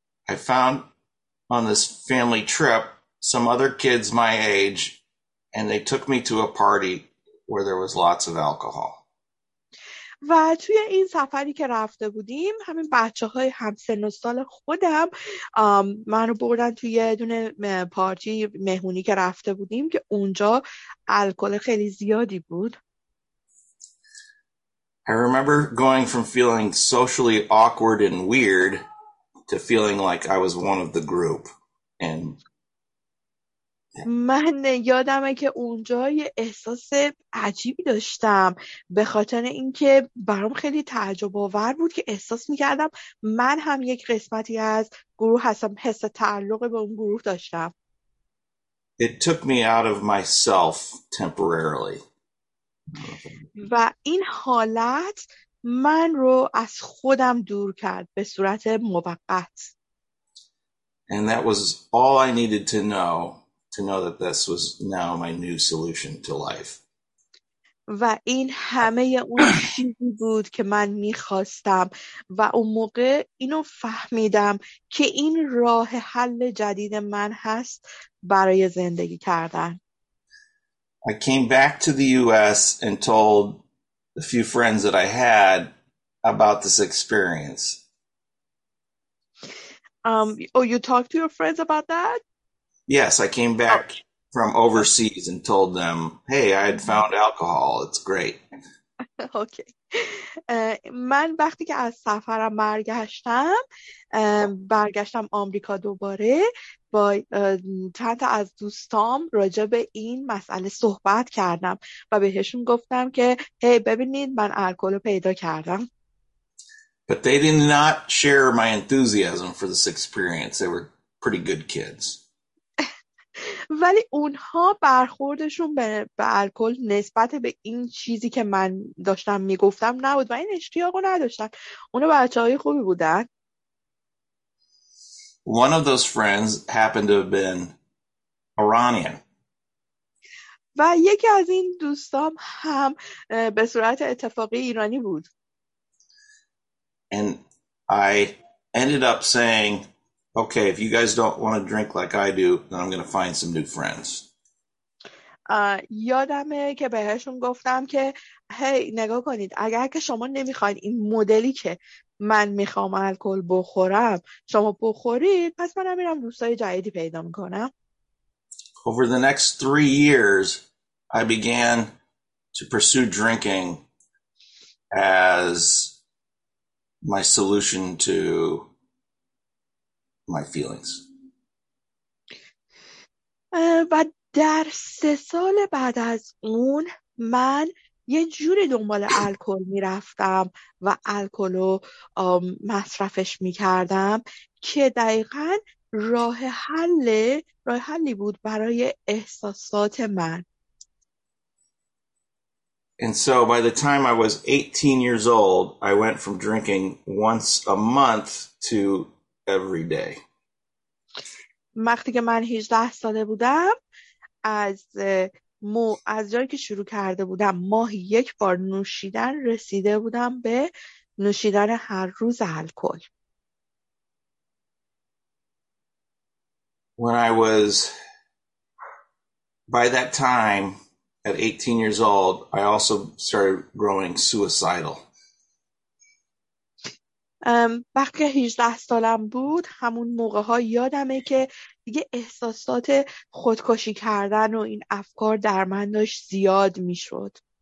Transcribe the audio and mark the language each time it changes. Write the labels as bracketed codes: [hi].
[en] I found on this family trip some other kids my age, and they took me to a party where there was lots of alcohol. [fa] و توی این سفری که رفته بودیم همین بچه‌های هم سن و سال خودم منو بردن توی یه دونه پارتی مهمونی که رفته بودیم که اونجا الکل خیلی زیادی بود. [en] I remember going from feeling socially awkward and weird to feeling like I was one of the group and [fa] من یادمه که اونجا یه احساس عجیبی داشتم به خاطر اینکه برام خیلی تعجب آور بود که احساس میکردم من هم یک قسمتی از گروه هستم، حس تعلق به اون گروه داشتم. [en] It took me out of myself temporarily. [fa] و این حالت من رو از خودم دور کرد به صورت موقت. [en] And that was all I needed to know. To know that this was now my new solution to life. [fa] و این همه اون چیزی بود که من می‌خواستم و اون موقع اینو فهمیدم که این راه حل جدید من هست برای زندگی کردن. [en] I came back to the US and told a few friends that I had about this experience. Oh, you talked to your friends about that? Yes, I came back from overseas and told them, "Hey, I had found alcohol. It's great." Okay. [fa] من وقتی که از سفرم برگشتم، برگشتم آمریکا دوباره با چند تا از دوستام راجع به این مسئله صحبت کردم و بهشون گفتم که، "Hey, ببینید من الکل رو پیدا کردم." [en] But they did not share my enthusiasm for this experience. They were pretty good kids. [fa] ولی اونها برخوردشون به الکل نسبت به این چیزی که من داشتم میگفتم نبود و این اشتیاقو نداشتن. اونها بچهای خوبی بودن. [en] One of those friends happened to have been Iranian. [fa] و یکی از این دوستام هم به صورت اتفاقی ایرانی بود. [en] And I ended up saying, "Okay, if you guys don't want to drink like I do, then I'm going to find some new friends." [fa] یادمه که بهشون گفتم که هی نگاه کنید، اگر که شما نمیخواید این مدلی که من میخوام الکل بخورم شما بخورید، پس منم میرم دوستای جدیدی پیدا میکنم. [en] Over the next 3 years, I began to pursue drinking as my solution to my feelings. [fa] و در 3 سال بعد از اون من یه جوری دنبال الکل میرفتم و الکل رو مصرفش میکردم که دقیقاً راه حلی بود برای احساسات من. [en] And so by the time I was 18 years old, I went from drinking once a month to every day. [fa] وقتی که من 18 ساله بودم از جایی که شروع کرده بودم ماهی یک بار نوشیدن رسیده بودم به نوشیدن هر روز الکل. [en] When I was, by that time, at 18 years old, I also started growing suicidal. [fa] وقتی 18 سالم بود همون موقع ها یادمه که دیگه احساسات خودکشی کردن و این افکار در من داشت زیاد می شد.